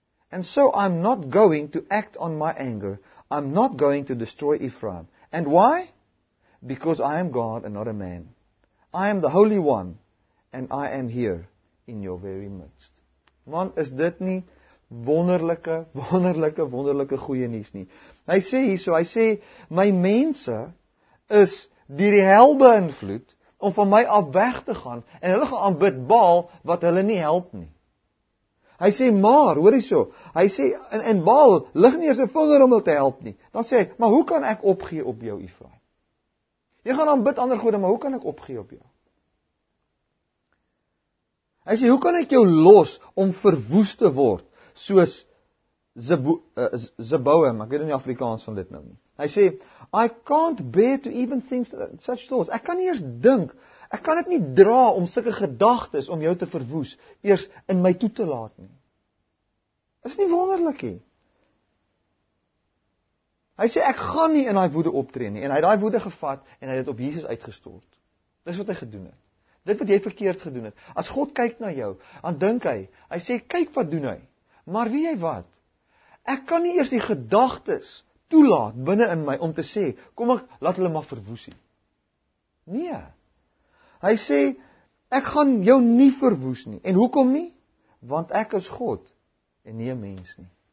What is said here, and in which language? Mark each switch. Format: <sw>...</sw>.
<en>And so I'm not going to act on my anger. I'm not going to destroy Ephraim. And why? Because I am God and not a man. I am the Holy One. And I am here in your very midst.</en> <af>Man, is dit nie wonderlike, wonderlike, wonderlike goeie nuus nie. Hy sê hier so, hy sê, my mense is deur die hel beïnvloed om van my af weg te gaan en hulle gaan aanbid Baal wat hulle nie help nie. Hy sê, maar, hoor hy so, hy sê, en Baal, lig nie eens een vinger om hom te help nie. Dan sê hy, maar hoe kan ek opgee op jou, Ephraim? Jy gaan aanbid ander gode, maar hoe kan ek opgee op jou? Hy sê, hoe kan ek jou los om verwoes te word, soos Zeboam, ek weet nie Afrikaans van dit nou nie. Hy sê,</af> <en>I can't bear to even think such thoughts.</en> <af>Ek kan nie eers dink, ek kan het nie dra om sulke gedagtes om jou te verwoes, eers in my toe te laat nie. Is nie wonderlik nie. Hy sê, ek gaan nie in die woede optree nie, en hy het die woede gevat, en hy het op Jesus uitgestort. Dis wat hy gedoen het. Dit wat hy verkeerd gedoen het. As God kyk na jou, dan dink hy, hy sê, kyk wat doen hy, maar weet jy wat? Ek kan nie eers die gedagtes toelaat binnen in my, om te sê, kom ek, laat hulle maar verwoes nie. Nee, hy sê, ek gaan jou nie verwoes nie. En hoekom nie? Want ek is God, en nie een mens nie.</af>